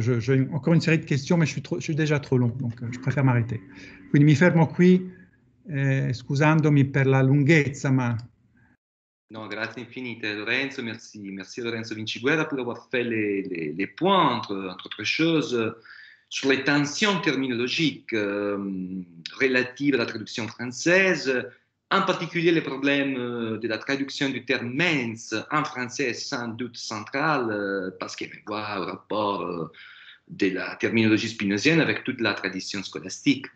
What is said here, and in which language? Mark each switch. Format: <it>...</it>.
<fr>J'ai encore une série de questions, mais je suis déjà trop long, donc je préfère m'arrêter.</fr> <it>Quindi mi fermo qui, scusandomi per la lunghezza, ma. No, grazie infinite, Lorenzo.</it> <fr>Merci Lorenzo Vinciguerra pour avoir fait les points entre autres choses. Sur les tensions terminologiques relatives à la traduction française, en particulier les problèmes de la traduction du terme « mens » en français est sans doute central, parce qu'il renvoie au rapport de la terminologie spinozienne avec toute la tradition scolastique.</fr>